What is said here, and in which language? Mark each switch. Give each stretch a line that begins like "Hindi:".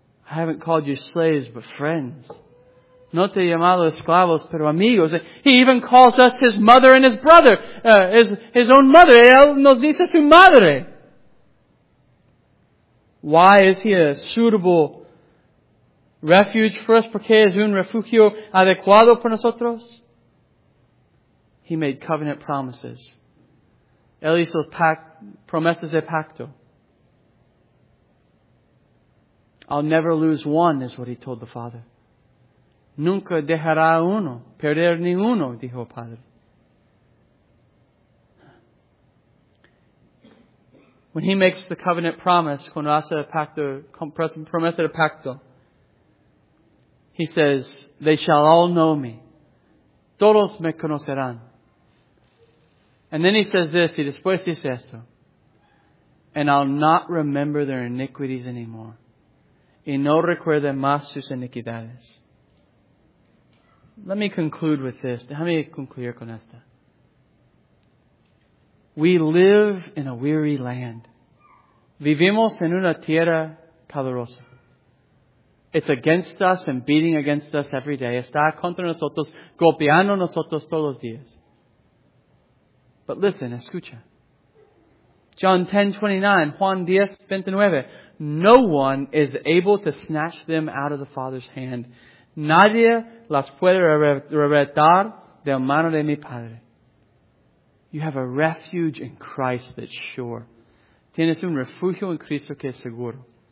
English: I haven't called you slaves, but friends.
Spanish: No te he llamado esclavos, pero amigos.
English: He even calls us His mother and His brother. His own mother.
Spanish: Él nos dice su madre.
English: Why is He a suitable refuge for us?
Spanish: Porque es un refugio adecuado para nosotros.
English: He made covenant promises.
Spanish: Él hizo promesas de pacto.
English: I'll never lose one, is what He told the Father.
Spanish: Nunca dejará uno, perder ninguno, dijo el Padre.
English: When He makes the covenant promise,
Spanish: cuando hace el pacto, promesa de pacto,
English: He says, they shall all know me.
Spanish: Todos me conocerán.
English: And then He says this,
Spanish: y después dice esto,
English: and I'll not remember their iniquities anymore.
Spanish: Y no recuerde más sus iniquidades.
English: Let me conclude with this.
Spanish: Déjame concluir con esta.
English: We live in a weary land.
Spanish: Vivimos en una tierra calurosa.
English: It's against us and beating against us every day.
Spanish: Está contra nosotros, golpeando nosotros todos los días.
English: But listen, escucha. John 10:29, Juan 10:29. No one is able to snatch them out of the Father's hand.
Spanish: Nadie las puede arrebatar de la mano de mi Padre.
English: You have a refuge in Christ that's sure.
Spanish: Tienes un refugio en Cristo que es seguro.